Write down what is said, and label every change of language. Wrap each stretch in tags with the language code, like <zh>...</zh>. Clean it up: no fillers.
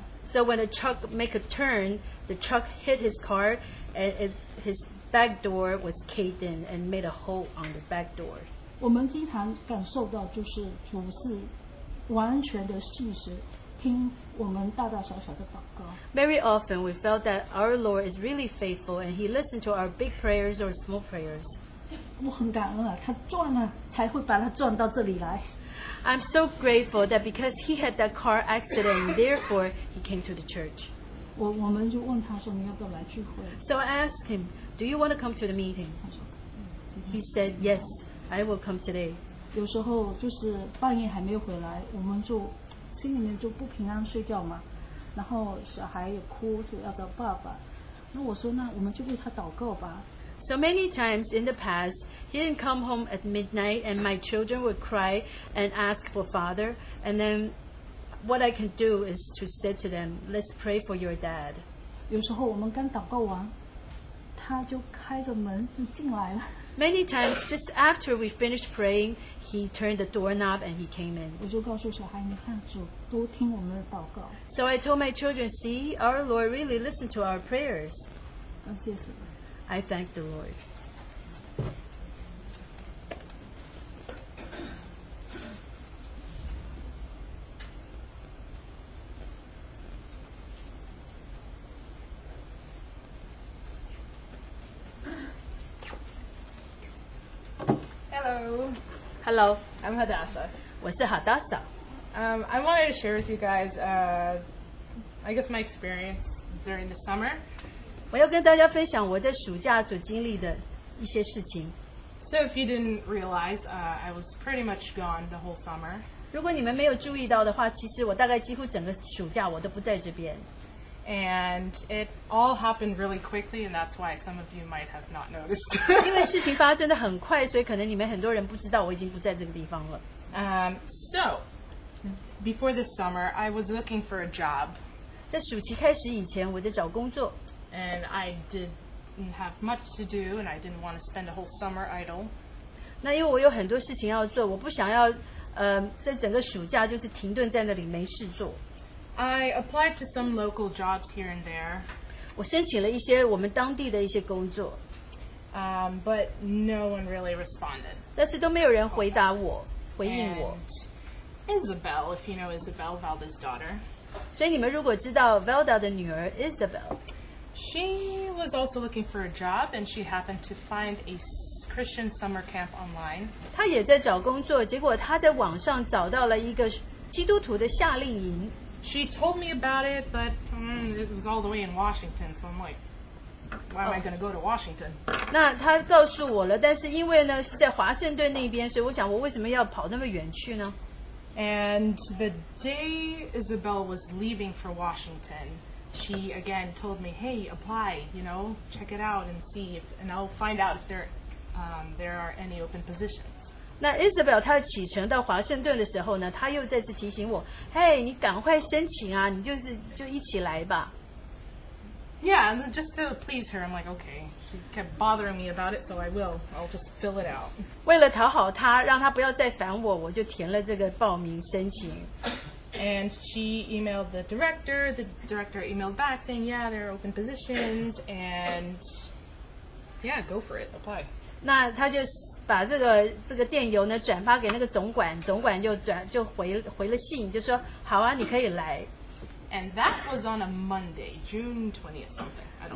<en>So when a truck make a turn, the truck hit his car and his back door was caved in and made a hole on the back door.</en> <zh>我们经常感受到就是主是完全的信实听我们大大小小的祷告。</zh> <en>Very often we felt that our Lord is really faithful and he listened to our big prayers or small prayers.</en> <zh>我很感恩啊，他赚了才会把他赚到这里来。</zh> <en>I'm so grateful that because he had that car accident, therefore he came to the church.</en> <zh>我们就问他说你要不要来聚会。</zh> <en>So I asked him, do you want to come to the meeting? He said, yes, I will come today.</en> <zh>有时候就是半夜还没回来，我们就心里面就不平安睡觉嘛，然后小孩也哭，就要找爸爸。那我说那我们就为他祷告吧。</zh> <en>So many times in the past, he didn't come home at midnight and my children would cry and ask for father. And then what I can do is to say to them, let's pray for your dad.</en> <zh>有时候我们刚祷告完，他就开着门就进来了。</zh> <en>Many times, just after we finished praying, he turned the doorknob and he came in.</en> <zh>我就告诉小孩，你看主都听我们的祷告。</zh> <en>So I told my children, see, our Lord really listened to our prayers.</en> <zh>感谢主。</zh> <en>I thank the Lord. Hello. Hello. I'm Hadassah.</en> <zh>我是 Hadassah.</zh> <en>I wanted to share with you guys, I guess my experience during the summer.</en> <zh>我要跟大家分享我在暑假所经历的一些事情。</zh> <en>So if you didn't realize, I was pretty much gone the whole summer.</en> <zh>如果你们没有注意到的话，其实我大概几乎整个暑假我都不在这边。</zh> <en>And it all happened really quickly, and that's why some of you might have not noticed.</en> <zh>因为事情发生的很快，所以可能你们很多人不知道我已经不在这个地方了。</zh> <en>So before this summer, I was looking for a job.</en> <zh>在暑期开始以前，我在找工作。</zh> <en>And I didn't have much to do, and I didn't want to spend a whole summer idle.</en> <zh>那因为我有很多事情要做，我不想要，在整个暑假就是停顿在那里没事做。</zh> <en>I applied to some local jobs here and there.</en> <zh>我申请了一些我们当地的一些工作。</zh> <en>But no one really responded.</en> <zh>但是都没有人回答我，回应我。</zh> <en>And Isabel, if you know Isabel, Valda's daughter.</en> <zh>所以你们如果知道 Valda 的女儿 Isabel。</zh> <en>She was also looking for a job, and she happened to find a Christian summer camp online.</en> <zh>她也在找工作，结果她在网上找到了一个基督徒的夏令营。</zh> <en>She told me about it, but it was all the way in Washington, so I'm like, why am I going to go to Washington?</en> <zh>那她告诉我了，但是因为呢是在华盛顿那边，所以我想我为什么要跑那么远去呢？</zh> <en>And the day Isabel was leaving for Washington,She again told me, hey, apply, you know, check it out and see if, and I'll find out if there are any open positions.</en> <zh>那 Isabel 她启程到华盛顿的时候呢，她又再次提醒我，hey, 你赶快申请啊，你就是就一起来吧。</zh> <en>Yeah, and just to please her, I'm like, okay, she kept bothering me about it, so I will. I'll just fill it out.</en> <zh>为了讨好她，让她不要再烦我，我就填了这个报名申请。</zh> <en>And she emailed the director emailed back saying, yeah, there are open positions, and yeah, go for it, apply.</en> <zh>那他就把这个电邮呢转发给那个总管就回了信，就说好啊，你可以来。</zh> <en>And that was on a Monday, June 20th something.</en>